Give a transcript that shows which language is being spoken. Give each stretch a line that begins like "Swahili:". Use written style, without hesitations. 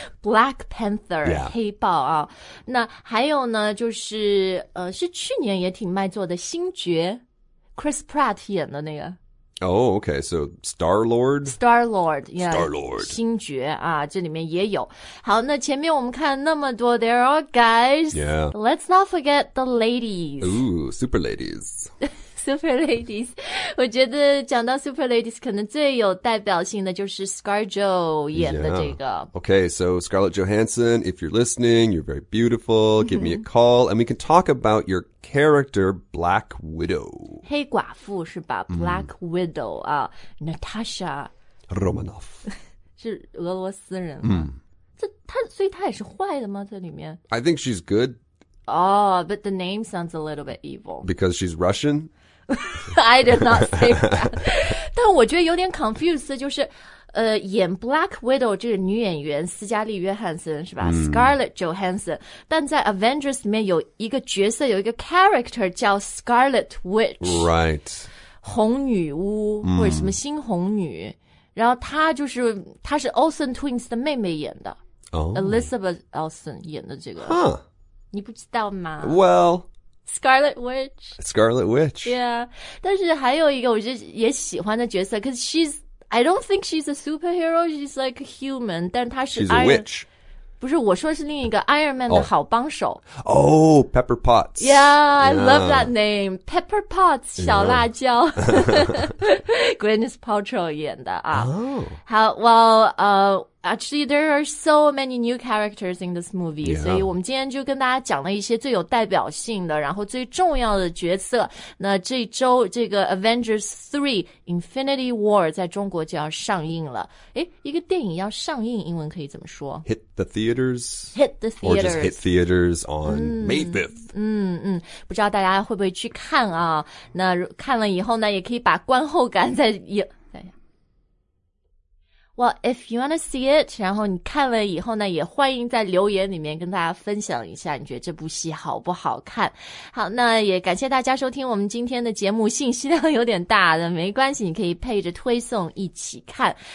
English: Black Panther,、 yeah.
Chinese: 黑豹啊。那还有呢就是是去年也挺卖座的星爵 ,Chris Pratt 演的那个。
English: Oh, okay, so Star-Lord? Star-Lord, yeah. Star-Lord.
Chinese: 星爵啊这里面也有。好那前面我们看那么多
English: there are guys. Yeah. Let's not forget the ladies. Ooh, super ladies. super ladies.
Chinese: 我觉得讲到 super ladies, 可能最有代表性的就是 ScarJo 演的这个。
English: Yeah. Okay, so Scarlett Johansson, if you're listening, you're very beautiful, give me a call, and we can talk about your character, Black Widow.
Chinese: 黑寡妇是吧 ?Black Widow, Natasha.
English: Romanoff.
Chinese: 是俄罗斯人。所以她也是坏的吗在里面
English: ?I think she's good. Oh, but the name sounds a little bit evil. Because she's Russian? I did not say that.
Chinese: 但我觉得有点 confused, 就是演 Black Widow 这个女演员斯嘉丽约翰森是吧、Scarlett Johansson, 但在 Avengers 里面有一个角色有一个 character 叫 Scarlet Witch.
English: Right.
Chinese: 红女巫、或者什么新红女。然后她是 Olsen Twins 的妹妹演的。
English: Oh.
Chinese: Elizabeth Olsen 演的这个。
English: Huh.
Chinese: 你不知道吗
English: Well, Scarlet Witch. Scarlet Witch. Yeah.
Chinese: 但是还有一个我就也喜欢的角色
English: because she's, I don't think she's a superhero, she's like a human,
Chinese: 但她是
English: She's a witch.
Chinese: 不是我说是另一个 Iron Man 的好帮手。
English: Oh, Pepper Potts. Yeah, I love that name.
Chinese: Pepper Potts, 小辣椒。 Gwyneth Paltrow 演的啊。
English: Oh.
Chinese: 好
English: well, Actually, there are so many new characters in this movie.、 Yeah.
Chinese: 所以我们今天就跟大家讲了一些最有代表性的然后最重要的角色。那这周这个 Avengers 3 Infinity War 在中国就要上映了。一个电影要上映英文可以怎么说
English: ?Hit the theaters. Hit the theaters. Or just hit theaters on May 5th.
Chinese: 不知道大家会不会去看啊。那看了以后呢也可以把观后感再
English: Well, if you want to see it,
Chinese: 然后你看了以后呢，也欢迎在留言里面跟大家分享一下，你觉得这部戏好不好看。好，那也感谢大家收听我们今天的节目，信息量有点大的，没关系，你可以配着推送一起看。